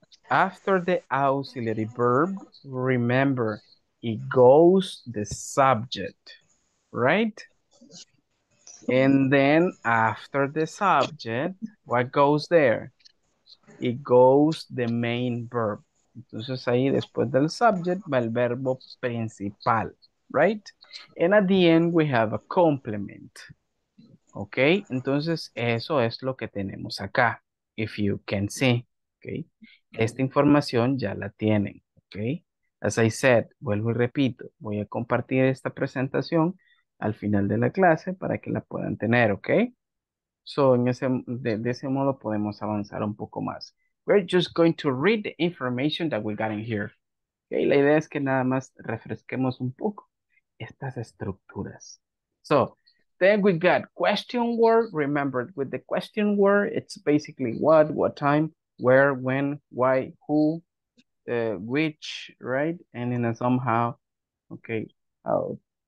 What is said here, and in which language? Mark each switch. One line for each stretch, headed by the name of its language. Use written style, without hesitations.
English: After the auxiliary verb, remember, it goes the subject, right? And then after the subject, what goes there? It goes the main verb.
Spanish: Entonces ahí después del subject va el verbo principal, right?
English: And at the end we have a complement.
Spanish: Okay, entonces eso es lo que tenemos acá, if you can see, okay? Esta información ya la tienen, ¿ok? As I said, vuelvo y repito, voy a compartir esta presentación al final de la clase para que la puedan tener, ¿ok?
English: So, en ese, de ese modo podemos avanzar un poco más. We're just going to read the information that we got in here.
Spanish: Okay, la idea es que nada más refresquemos un poco estas estructuras.
English: So, then we got question word. Remember, with the question word, it's basically what time, where, when, why, who, which, right? And in a somehow, okay, how.